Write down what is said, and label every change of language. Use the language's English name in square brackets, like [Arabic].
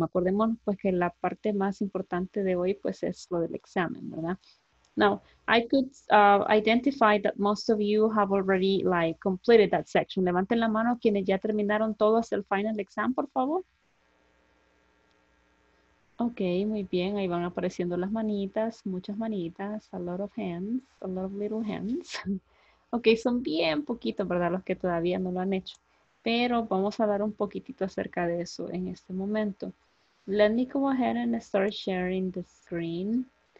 [Spanish] Acordémonos, pues, que la parte más importante de hoy, pues, es lo del examen, ¿verdad? [English] Now, I could identify that most of you have already, like, completed that section. [Spanish] Levanten la mano quienes ya terminaron todo hasta el [English] final exam, [Spanish] por favor. Okay, muy bien. Ahí van apareciendo las manitas, muchas manitas, [English] a lot of hands, a lot of little hands. [Spanish] Okay, son bien poquitos, ¿verdad? Los que todavía no lo han hecho. Pero vamos a hablar un poquitito acerca de eso en este momento. [English] Let me go ahead and start sharing the screen.